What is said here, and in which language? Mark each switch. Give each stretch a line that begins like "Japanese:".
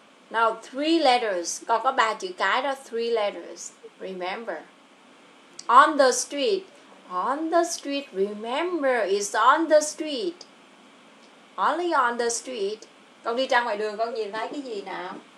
English: Now, three letters.
Vietnamese: Con có ba chữ cái đó,
English: three letters. Remember. On the street. On the street, remember, it's on the street. Only on the street.
Vietnamese: Con đi ra ngoài đường, con nhìn thấy cái gì nào?